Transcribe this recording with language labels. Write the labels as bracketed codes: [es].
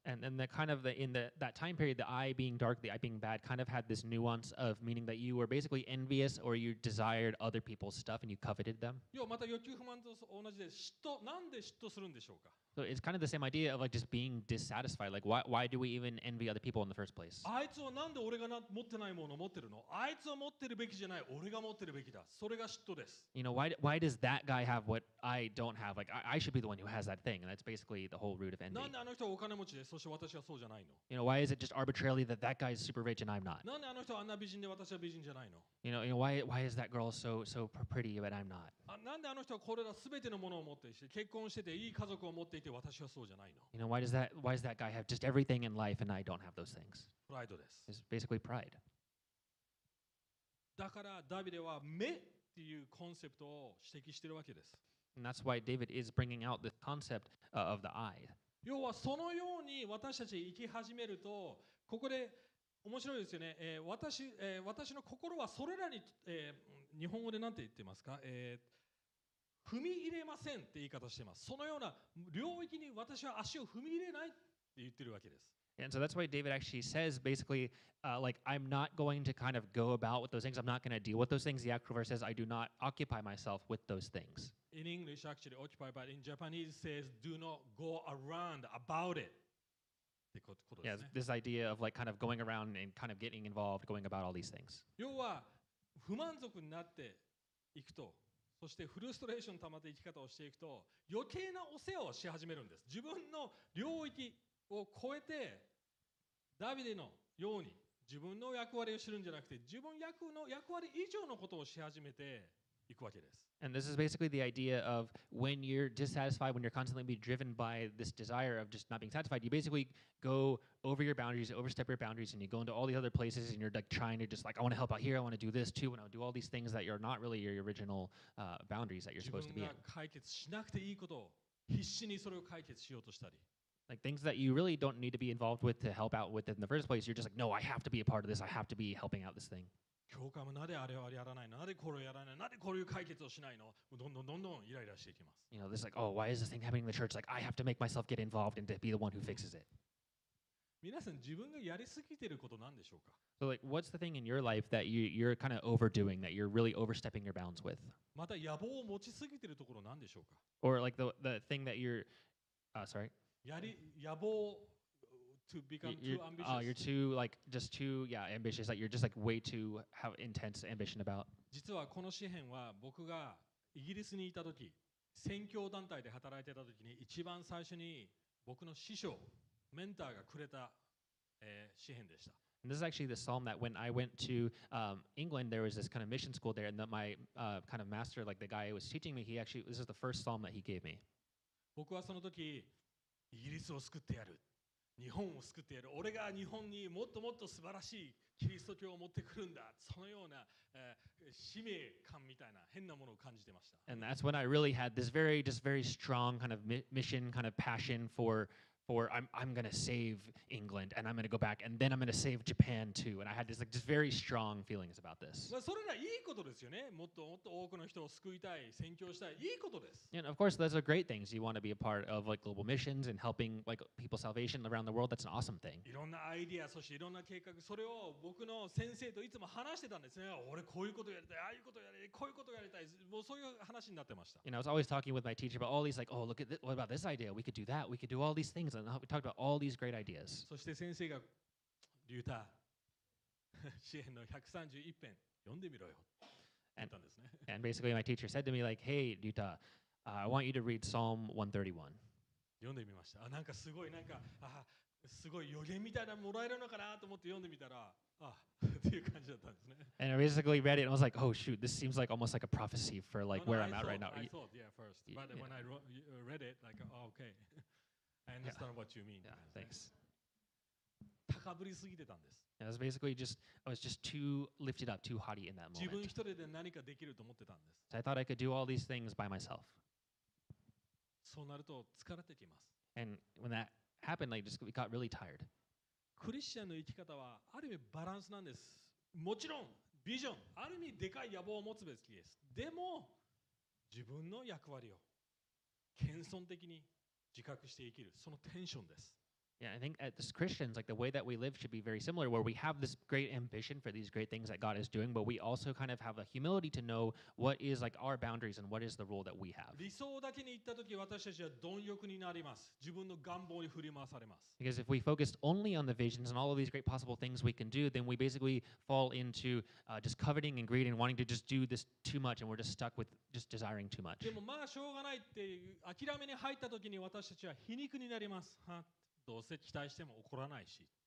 [en] And then the kind of the in the that time period, the eye being dark, the eye being bad, kind of had this nuance of meaning that you were basically envious or you desired other people's stuff and you coveted them. [ja] よ、また欲求不満と同じで嫉妬、なんで嫉妬するんでしょうか。 [en] So it's kind of the same idea of like just being dissatisfied. Like why do we even envy other people in the first place? [ja] あいつはなんで俺が持ってないものを持ってるの？あいつは持ってるべきじゃない。俺が持ってるべきだ。それが嫉妬です。 [en] You know, why does that guy have what I don't have? Like I should be the one who has that thing. And that's basically the whole root of envy. [ja] なんであの人はお金持ちで、そして私はそうじゃないの？ [en] You know, why is it just arbitrarily that that guy is super rich and I'm not? [ja] なんであの人はあんな美人で私は美人じゃないの？ [en] You know, why is that girl so pretty but I'm not? [ja] なんであの人はこれら全てのものを持ってして結婚してていい家族を持っていて私はそうじゃないの。 [en] You know, why does that guy have just everything in life and I don't have those things? [ja] プライドです。 [en] It's basically pride. [ja] だからダビデは目っていうコンセプトを指摘してるわけです。 [en] And that's why David is bringing out the concept of the eye. [ja] 要はそのように私たち生き始めるとここで面白いですよね。私の心はそれらに、日本語でなんて言ってますか、踏み入れませんって言い方してます。そのような領域に私は足を踏み入れないって言ってるわけです。 [en] And so that's why David actually says basically, like, I'm not going to kind of go about with those things. I'm not going to deal with those things. The actual verse says, I do not occupy myself with those things. In English, actually, occupy, but in Japanese, says, do not go around about it. Yeah, this idea of like kind of going around and kind of getting involved, going about all these things. [ja] 要は不満足になっていくと。そしてフルストレーションたまって生き方をしていくと余計なお世話をし始めるんです。自分の領域を超えてダビデのように自分の役割を知るんじゃなくて自分の役割以上のことをし始めていくわけです。 [en] And this is basically the idea of when you're dissatisfied, when you're constantly being driven by this desire of just not being satisfied, you basically go over your boundaries, overstep your boundaries, and you go into all the other places, and you're like trying to just like, I want to help out here, I want to do this too, and I'll do all these things that are not really your original boundaries that you're supposed to be in. [ja] 自分が解決しなくていいことを必死にそれを解決しようとしたり。 [en] Like things that you really don't need to be involved with to help out with it in the first place, you're just like, no, I have to be a part of this, I have to be helping out this thing. [ja] 教会もなぜあれをやらないの、なぜこれをやらないの、なぜこういう解決をしないの、どんどんどんどんイライラしていきます。 [en] You know, this is like, oh, why is this thing happening in the church? Like, I have to make myself get involved and to be the one who fixes it. [ja] 皆さん自分がやりすぎていることなんでしょうか。 [en] So like, what's the thing in your life that you're kind of overdoing, that you're really overstepping your bounds with? [ja] また野望を持ちすぎているところなんでしょうか。 [en] Or like the thing that you're, sorry. [ja] やり野望 [en] to become too ambitious. You're too like just too yeah ambitious. That、like、you're just like way too have intense ambition about. [ja] 実はこの詩編は僕がイギリスにいた時、宣教団体で働いてた時に一番最初に僕の師匠メンターがくれた、詩編でした。 [en] And this is actually the psalm that when I went to England, there was this kind of mission school there, and that my kind of master, like the guy who was teaching me, this is the first psalm that he gave me. [ja] 僕はその時、イギリスを救ってやる、日本を救ってやる、俺が日本にもっともっと素晴らしいキリスト教を持ってくるんだ、そのような、使命感みたいな変なものを感じてました。 [en] And that's when I really had this very, just very strong kind of mission, kind of passion for I'm going to save England and I'm going to go back and then I'm going to save Japan too. And I had this like just very strong feelings about this. [ja] それがいいことですよね。もっともっと多くの人を救いたい、宣教したい、いいことです。 [en] And of course, those are great things. You want to be a part of like global missions and helping like people's salvation around the world. That's an awesome thing. [ja] いろんなアイデア、そしていろんな計画、それを僕の先生といつも話してたんですね。俺こういうことやりたい、ああいうことやりたい、こういうことやりたい。もうそういう話になってました。 [en] And I was always talking with my teacher about all these like, oh, look at this, what about this idea? We could do that. We could do all these things. We talked about all these great ideas. [ja] そして先生がリューター詩編の131編読んでみろよ。 [en] And basically my teacher said to me like, hey, リューター、I want you to read Psalm 131. [ja] 読んでみました。あ、なんかすごい、なんか、あ、すごい予言みたいなもらえるのかなと思って読んでみたら、あ、っていう感じだったんですね。 [en] And I basically read it and I was like, oh shoot, this seems like almost like a prophecy for like where I'm at right now. I thought, yeah, first. But when I read it, like, oh, okay. I understand what you mean. Yeah, thanks. [ja] 高ぶりすぎてたんです。 [en] I was basically just, I was just too lifted up, too haughty in that moment. [ja] 自分一人で何かできると思ってたんです。 [en] I thought I could do all these things by myself. [ja] そうなると疲れてきます。 [en] And when that happened, like, just we got really tired. [ja] クリスチャンの生き方はある意味バランスなんです。もちろんビジョン、ある意味でかい野望を持つべきです。でも自分の役割を謙遜的に。自覚して生きる、そのテンションです。 [en] Yeah, I think as Christians, like the way that we live should be very similar, where we have this great ambition for these great things that God is doing, but we also kind of have a humility to know what is like our boundaries and what is the role that we have. [ja] 理想だけに行った時、私たちは貪欲になります。自分の願望に振り回されます。 [en] Because if we focused only on the visions and all of these great possible things we can do, then we basically fall into just coveting and greed and wanting to just do this too much, and we're just stuck with just desiring too much. [ja] でもまあしょうがないって諦めに入った時に私たちは皮肉になります。どうせ期待しても起こらないし。